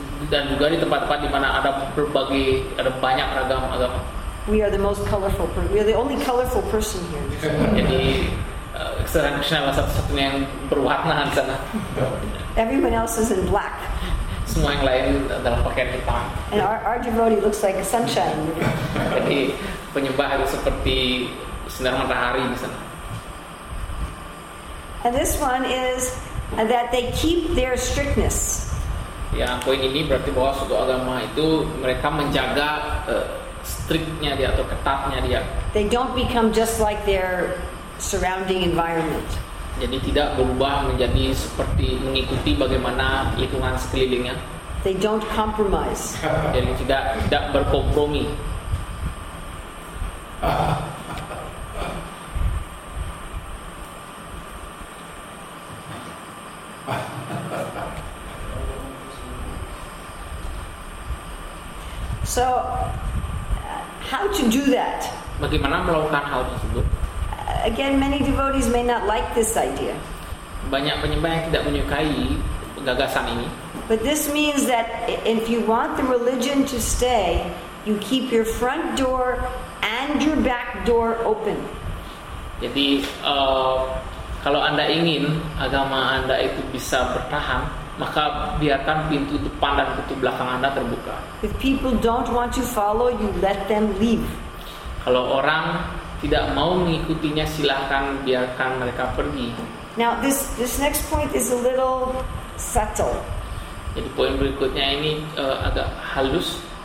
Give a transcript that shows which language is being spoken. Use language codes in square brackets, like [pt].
[id] Dan juga di tempat-tempat di mana ada berbagai, ada banyak ragam agama. [en] We are the most colorful. We are the only colorful person here. [id] Jadi Sri Krishna adalah satu-satunya yang berwarna di sana. [en] Everyone else is in black. [id] Semua yang lain dalam pakaian hitam. [en] And our devotee looks like a sunshine. [id] Jadi penyembah itu seperti sinar matahari di sana. [en] And this one is that they keep their strictness. [id] Ya, poin ini berarti bahwa suatu agama itu mereka menjaga strictnya dia atau ketatnya dia. [en] They don't become just like their surrounding environment. [id] Jadi tidak berubah menjadi seperti mengikuti bagaimana lingkungan sekelilingnya. [en] They don't compromise. [id] Jadi tidak berkompromi. [en] So, how to do that? [id] Bagaimana melakukan hal tersebut? [en] Again, many devotees may not like this idea. [id] Banyak penyembah yang tidak menyukai gagasan ini. [en] But this means that if you want the religion to stay, you keep your front door and your back door open. [id] Jadi, kalau Anda ingin agama Anda itu bisa bertahan, maka biarkan pintu depan dan pintu belakang Anda terbuka. [en] If people don't want to follow, you let them leave. [id] Kalau orang tidak mau mengikutinya, silakan biarkan mereka pergi. [en] Now this next point is a little subtle. [id] Jadi poin berikutnya ini agak halus.